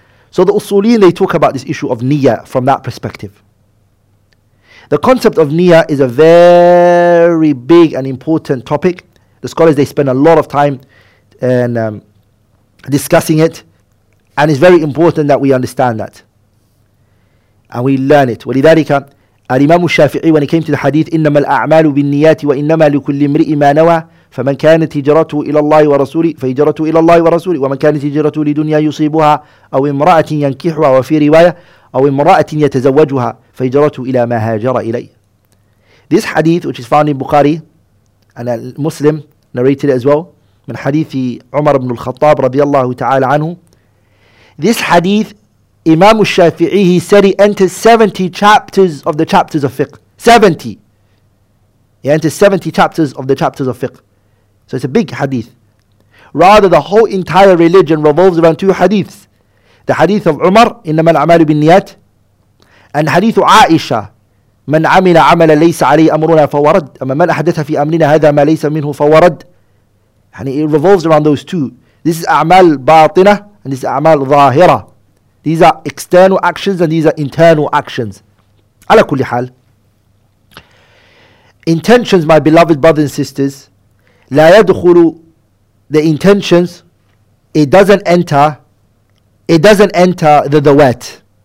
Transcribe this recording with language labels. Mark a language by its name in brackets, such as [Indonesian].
[English] So the usuliyin, they talk about this issue of niyyah from that perspective. The concept of niyyah is a very big and important topic. The scholars, they spend a lot of time and discussing it, and it's very important that we understand that. And we learn it. [Arabic] ولذلك الإمام الشافعي, [English] when he came to the hadith, [Arabic] إنما الأعمال بالنيات وإنما لكل امرئ ما نوى فمن كانت هجرته إلى الله ورسوله فهجرته إلى الله ورسوله ومن كانت هجرته لدنيا يصيبها أو امرأة ينكحها وفي رواية أو امرأة يتزوجها فهجرته إلى ما هاجر إليه. [English] This hadith, which is found in Bukhari and Muslim, narrated as well, [Arabic] من حديث عمر بن الخطاب رضي الله تعالى عنه. [English] This hadith, Imam al-Shafi'i, he said he enters 70 chapters of the chapters of fiqh. 70. He enters 70 chapters of the chapters of fiqh. So it's a big hadith. Rather, the whole entire religion revolves around two hadiths. The hadith of Umar, [Arabic] إِنَّمَا الْعَمَالُ بِالنِّيَاتِ, [English] and hadith Aisha, [Arabic] مَنْ عَمِلَ عَمَلَ لَيْسَ عَلَيْهِ أَمْرُنَا فَوَرَدْ أَمَّا مَنْ أَحْدَثَ فِي أَمْرِنَا هَذَا مَا لَيْسَ مِنْهُ فَوَرَدْ. [English] It revolves around those two. This is [Arabic] أعمال باطنة [English] and this is [Arabic] أعمال ظاهرة. [English] These are external actions and these are internal actions. [Arabic] على كل حال, [English] intentions, my beloved brothers and sisters, لا يدخل, the intentions, it doesn't enter the ذوات.